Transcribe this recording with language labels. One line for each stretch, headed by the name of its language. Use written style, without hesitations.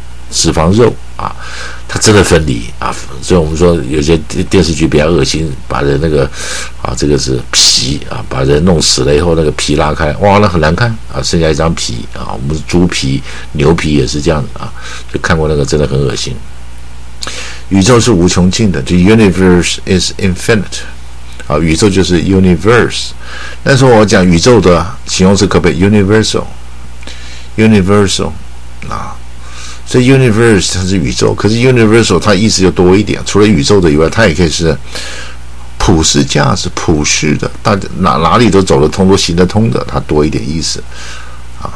Chinese: 脂肪肉啊，它真的分离啊，所以我们说有些电视剧比较恶心，把人那个啊，这个是皮啊，把人弄死了以后，那个皮拉开，哇，那很难看啊，剩下一张皮啊，我们猪皮、牛皮也是这样啊，就看过那个真的很恶心。宇宙是无穷尽的 ，
English: The universe is infinite。
Chinese: 啊，宇宙就是 universe。那时候我讲宇宙的形容词可不可以 universal 啊？这 universe 它是宇宙，可是 universal 它意思就多一点，除了宇宙的以外，它也可以是普世价值，普世的，大家哪里都走得通，都行得通的，它多一点意思啊。